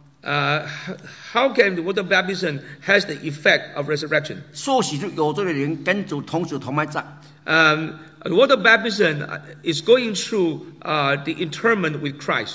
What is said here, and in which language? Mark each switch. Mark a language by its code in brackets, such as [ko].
[en] How can the water baptism has the effect of resurrection? [zh] 受洗就有罪的人跟主同死同埋葬。 [en] Water baptism is going through the interment with Christ.